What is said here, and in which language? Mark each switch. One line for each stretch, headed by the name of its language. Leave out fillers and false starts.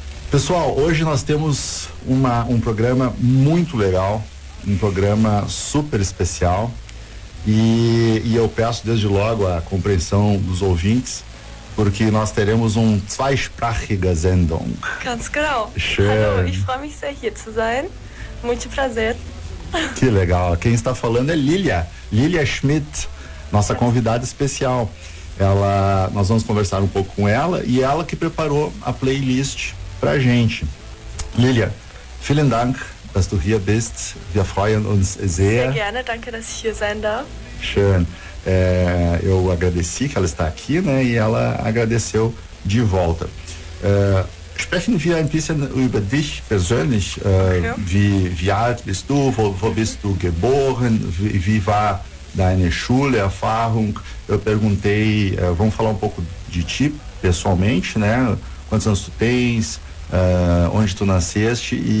Portuguese: Pessoal, hoje nós temos um programa muito legal, um programa super especial, e eu peço desde logo a compreensão dos ouvintes, porque nós teremos um
German: Zweisprachige Sendung. Ganz genau. Schön. Hallo, ich freue mich sehr hier zu sein.
Portuguese: Muito prazer. Que legal, quem está falando é Lilia Schmidt, nossa convidada especial. Nós vamos conversar um pouco com ela, e ela que preparou a playlist pra gente.
German: Lilia, vielen Dank, dass du hier bist. Wir freuen uns sehr. Sehr gerne, danke, dass ich hier sein darf. Schön.
Portuguese: Eu agradeci que ela está aqui, né, e ela agradeceu de volta.
German: Sprechen wir ein bisschen über dich persönlich. Wie alt bist du? Wo bist du geboren? Wie war deine Schulerfahrung?
Portuguese: Eu perguntei, vamos falar um pouco de ti pessoalmente, né? Quantos anos tu tens? Onde tu nasceste?